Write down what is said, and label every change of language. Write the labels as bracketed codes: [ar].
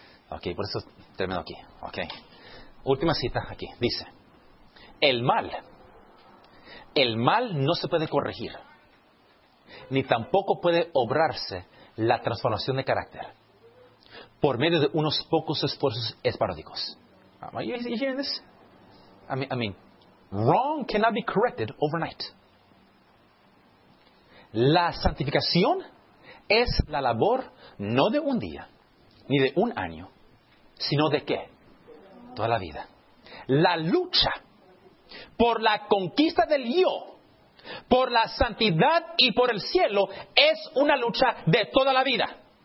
[es] Ok, por eso termino aquí. Ok, última cita aquí. Dice, el mal no se puede corregir, ni tampoco puede obrarse la transformación de carácter por medio de unos pocos esfuerzos esporádicos. [en] Are you hearing this? I mean, wrong cannot be corrected overnight. [es] La santificación es la labor no de un día, ni de un año, sino de ¿qué? Toda la vida. La lucha por la conquista del yo, por la santidad y por el cielo, es una lucha de toda la vida.